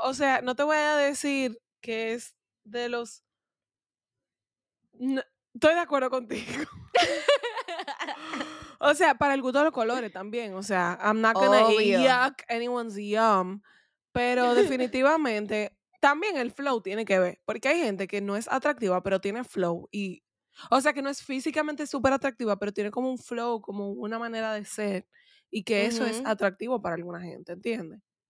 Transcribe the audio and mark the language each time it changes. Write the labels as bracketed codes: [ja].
[es] O sea, no te voy a decir que es de los... No, estoy de acuerdo contigo. O sea, para el gusto de los colores también. O sea, [en] I'm not gonna yuck anyone's yum. [es] Pero definitivamente, también el flow tiene que ver. Porque hay gente que no es atractiva, pero tiene flow. Y, o sea, que no es físicamente súper atractiva, pero tiene como un flow, como una manera de ser. Y que uh-huh, eso es atractivo para alguna gente, ¿entiendes?